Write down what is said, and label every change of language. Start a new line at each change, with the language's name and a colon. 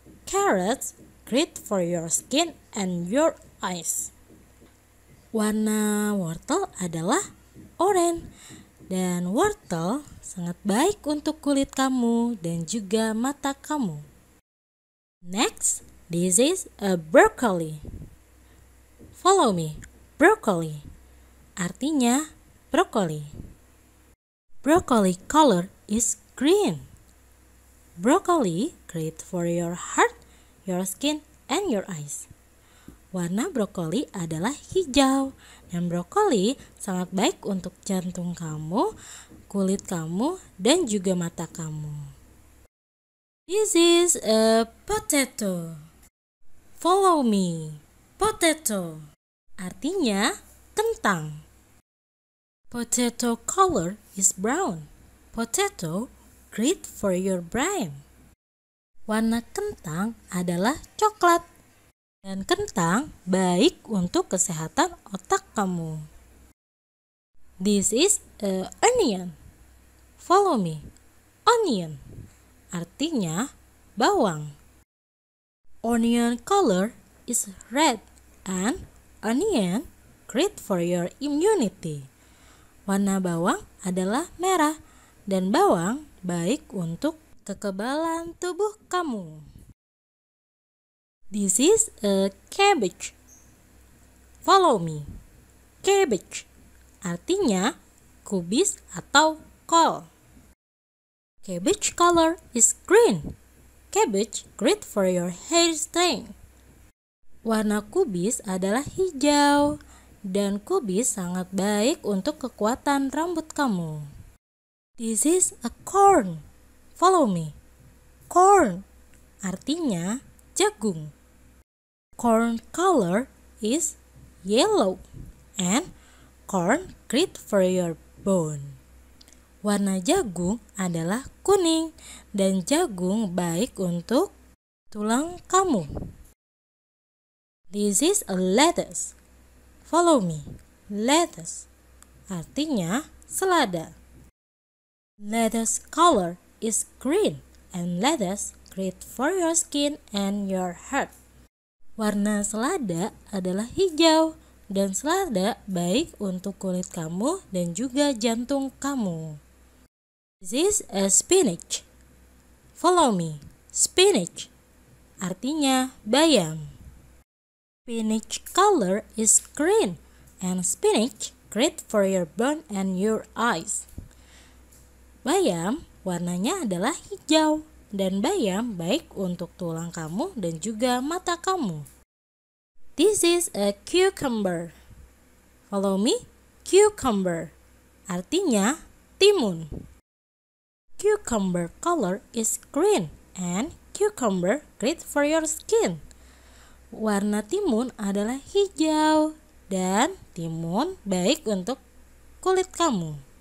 English: Carrots great for your skin and your eyes.
Indonesian: Warna wortel adalah orange. Dan wortel sangat baik untuk kulit kamu dan juga mata kamu.
English: Next, this is a broccoli. Follow me, broccoli.
Indonesian: Artinya brokoli.
English: Broccoli color is green. Broccoli great for your heart, your skin, and your eyes.
Indonesian: Warna brokoli adalah hijau. Dan brokoli sangat baik untuk jantung kamu, kulit kamu, dan juga mata kamu.
English: This is a potato. Follow me.
Indonesian: Potato artinya kentang.
English: Potato color is brown. Potato great for your brain.
Indonesian: Warna kentang adalah coklat. dan kentang baik untuk kesehatan otak kamu.
English: This is an onion. Follow me.
Indonesian: Onion artinya bawang.
English: Onion color is red and onion great for your immunity.
Indonesian: Warna bawang adalah merah dan bawang baik untuk kekebalan tubuh kamu.
English: This is a cabbage. Follow me.
Indonesian: Cabbage artinya kubis atau kol.
English: Cabbage color is green. Cabbage great for your hair strength.
Indonesian: Warna kubis adalah hijau dan kubis sangat baik untuk kekuatan rambut kamu.
English: This is a corn. Follow me. Corn
Indonesian: artinya jagung.
English: Corn color is yellow and corn great for your bone.
Indonesian: Warna jagung adalah kuning dan jagung baik untuk tulang kamu.
English: This is a lettuce. Follow me. Lettuce
Indonesian: artinya selada.
English: Lettuce color is green and lettuce great for your skin and your heart.
Indonesian: Warna selada adalah hijau dan selada baik untuk kulit kamu dan juga jantung kamu.
English: This is a spinach. Follow me.
Indonesian: Spinach artinya bayam.
English: Spinach color is green and spinach great for your bone and your eyes.
Indonesian: Bayam warnanya adalah hijau dan bayam baik untuk tulang kamu dan juga mata kamu.
English: This is a cucumber. Follow me.
Indonesian: Cucumber artinya timun.
English: Cucumber color is green and cucumber great for your skin.
Indonesian: Warna timun adalah hijau dan timun baik untuk kulit kamu.